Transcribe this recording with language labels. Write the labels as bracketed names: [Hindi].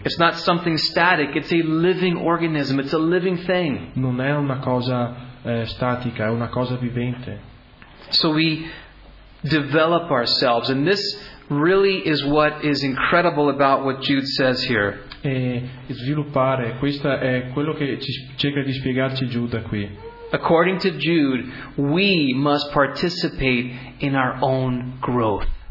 [English] It's not something static, it's a living organism, it's a living thing. [Italian] Non è una cosa statica, è una cosa vivente. [English] So we develop ourselves, and this really is what is incredible about what Jude says here. [Italian] E sviluppare, questa è quello che cerca di spiegarci Giuda qui. [English] According to Jude, we must participate in our own growth.